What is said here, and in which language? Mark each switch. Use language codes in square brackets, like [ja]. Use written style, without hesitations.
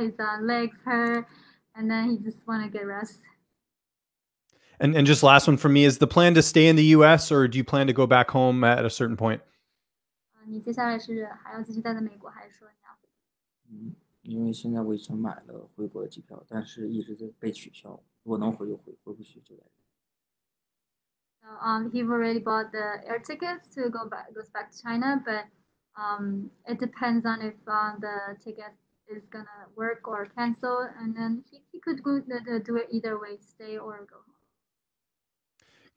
[en] His legs hurt, and then he just want to get rest. And just last one for me, is the plan to stay in the U.S. or do you plan to go back home at a certain point? [zh] 你接下来是还要继续待在美国还是说你要回？因为现在我已经买了回国的机票，但是一直在被取消。如果能回就回，回不去就来。 [en] He've already bought the air tickets to go back to China, but it depends on if the ticket is gonna work or cancel, and then he could do it either way, stay or go home.